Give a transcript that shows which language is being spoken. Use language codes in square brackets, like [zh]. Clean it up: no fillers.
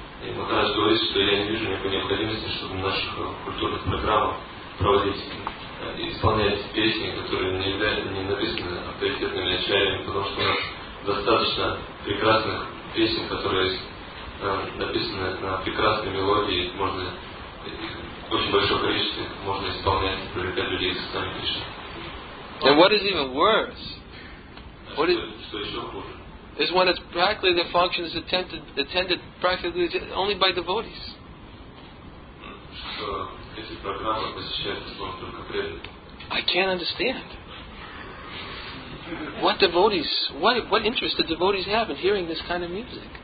[ru] И Махарадж говорит, что я не вижу никакой необходимости, чтобы в наших культурных программах проводить и исполнять песни, которые не написаны авторитетными ачарьями, потому что у нас достаточно прекрасных песен, которые написаны на прекрасной мелодии, можно очень большое количество можно исполнять и привлекать людей к сами Кришне. [en] And what is even worse? What is, [ru] что еще хуже? [en] Is when it's practically the function is attended practically only by devotees. [ru] Что эти программы посещаются только преданными. [en] I can't understand. What devotees, what interest do devotees have in hearing this kind of music?